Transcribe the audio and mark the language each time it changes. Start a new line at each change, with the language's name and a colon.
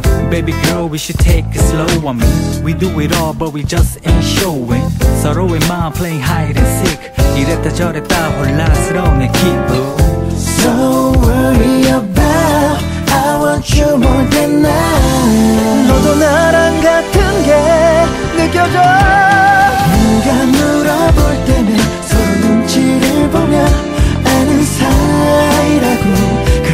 English: Baby girl, we should take it slow on me. We do it all, but we just ain't showing.
Korean: 서로의 마음
English: playing hide and seek.
Korean: 이랬다 저랬다 혼란스러운 내 기분.
English: So worry about, I want you more than now.
Korean: 너도 나랑 같은 게 느껴져. 누가 물어볼 때면 서로 눈치를 보면 아는 사이라고.